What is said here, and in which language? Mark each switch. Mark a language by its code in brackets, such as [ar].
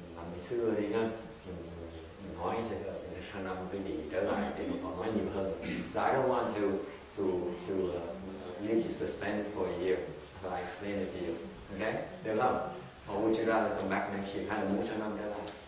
[vi] Ngày xưa đi ha, mình nói sẽ sang năm cái gì trở lại thì mình còn nói nhiều hơn. [en] So I don't want to leave you suspended for a year. So I explain it to you, okay? [vi] Được không? [en] Or would you rather come back next year? [vi] Hay là muốn sang năm trở lại?